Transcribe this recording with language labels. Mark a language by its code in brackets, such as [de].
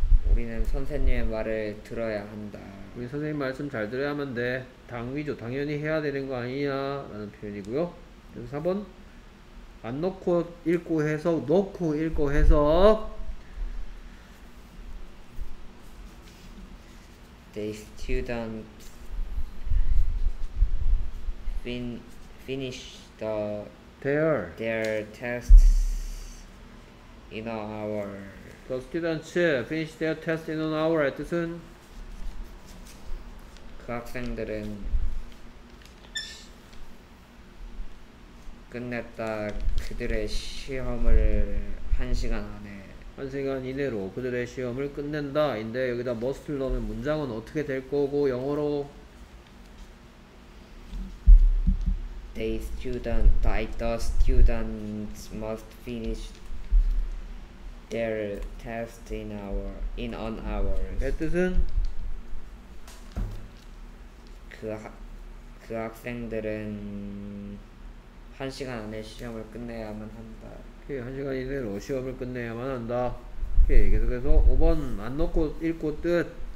[ko] 우리는 선생님의 말을 들어야 한다. 우리 선생님 말씀 잘 들어야만 돼. 당위죠. 당연히 해야 되는 거 아니냐 라는 표현이고요. 그래서 4번 안 넣고 읽고 해석, 넣고 읽고 해석. [en] The student finished their tests in an hour. The students finished their tests in an hour [ko] 뜻은 그 학생들은 끝냈다. 그들의 시험을 1시간 안에 한 시간 이내로 그들의 시험을 끝낸다. 인데 여기다 must를 넣으면 문장은 어떻게 될 거고 영어로 [en] the students must finish their test in an hour. [ko] 그 뜻은 그 학생들은 한 시간 안에 시험을 끝내야만 한다. 오케이, 한 시간 이내로 시험을 끝내야만 한다. 오케이, 계속해서 5번 안 넣고 읽고 뜻.